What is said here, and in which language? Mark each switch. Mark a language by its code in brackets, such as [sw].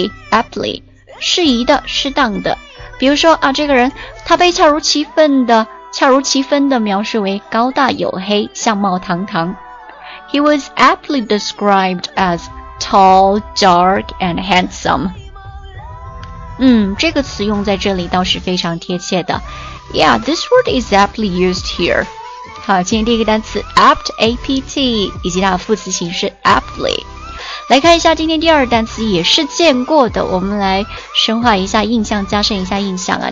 [zh] aptly 适宜的，适当的。比如说啊，这个人他被恰如其分的描述为高大黝黑，相貌堂堂。 [en] He was aptly described as tall, dark, and handsome. [zh] 这个词用在这里倒是非常贴切的。 [en] Yeah, this word is aptly used here. [zh] 好，今天第一个单词 apt, A-P-T, 以及它的副词形式 aptly。来看一下今天第二单词，也是见过的，我们来深化一下印象，加深一下印象啊。